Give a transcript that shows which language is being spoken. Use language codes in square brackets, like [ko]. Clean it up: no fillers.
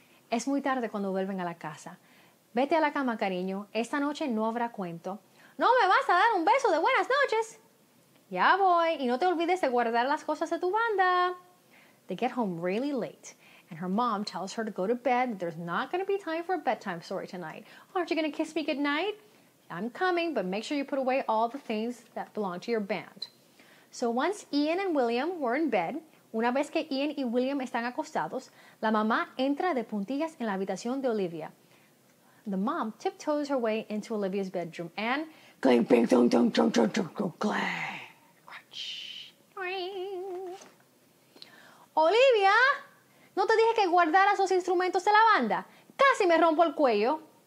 [es] Es muy tarde cuando vuelven a la casa. Vete a la cama, cariño. Esta noche no habrá cuento. ¿No me vas a dar un beso de buenas noches? Ya voy. Y no te olvides de guardar las cosas de tu banda. [en] They get home really late. And her mom tells her to go to bed. There's not going to be time for a bedtime story tonight. Aren't you going to kiss me goodnight? I'm coming, but make sure you put away all the things that belong to your band. So once Ian and William were in bed, [es] una vez que Ian y William están acostados, la mamá entra de puntillas en la habitación de Olivia. [en] The mom tiptoes her way into Olivia's bedroom and clang, bing, dong, dong, dong, dong, dong, dong, clang, crunch, ring. [es] Olivia, no te dije que guardaras los instrumentos de la banda. Casi me rompo el cuello.